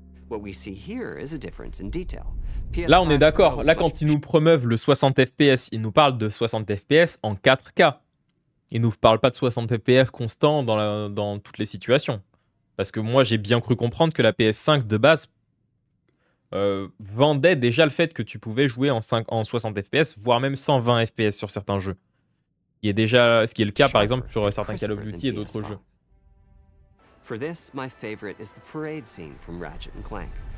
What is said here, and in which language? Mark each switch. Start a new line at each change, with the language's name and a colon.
English: What we see here is a difference in detail.
French: Là, on est d'accord. Là, quand ils nous promeuvent le 60 FPS, ils nous parlent de 60 FPS en 4K. Il nous parle pas de 60 FPS constant dans toutes les situations. Parce que moi, j'ai bien cru comprendre que la PS5, de base, vendait déjà le fait que tu pouvais jouer en 60 FPS, voire même 120 FPS sur certains jeux. Il y a déjà, ce qui est le cas, par exemple, sur certains Call of Duty et d'autres jeux.
English: For this, my favorite is the parade scene from Ratchet & Clank.